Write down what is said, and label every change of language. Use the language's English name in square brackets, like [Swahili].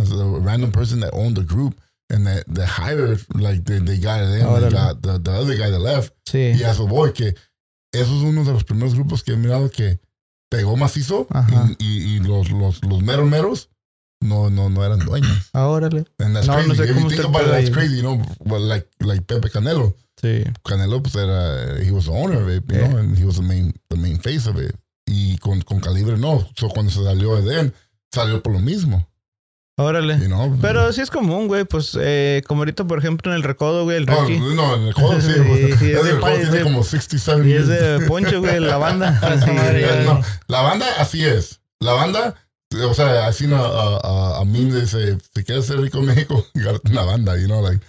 [English] Es a random person that owned the group. And they hired, like, the guy then, the other guy that left. [Spanish] Sí. Y a su boy, que eso es uno de los primeros grupos que he mirado que pegó macizo. Ajá. Y los meros meros no eran dueños. Órale. [English] And that's crazy. [Spanish] No sé cómo usted puede ir. [English] That's crazy, you know, like Pepe Canelo. [Spanish] Sí. [English] Canelo, [Spanish] pues, era, [English] he was the owner of it, you know, and he was the main face of it. [Spanish] Y con Calibre no. So cuando se salió de Den, salió por lo mismo. Órale. [English] You know? [Spanish] Pero sí es común, güey. Pues como ahorita, por ejemplo, en el Recodo, güey, el Ricky. No, en el Recodo sí. El Recodo tiene como 67 y es de Poncho, güey, la banda. La banda, así es. La banda, o sea, así a mí me dice, si quieres ser rico en México, una banda, [English] you know.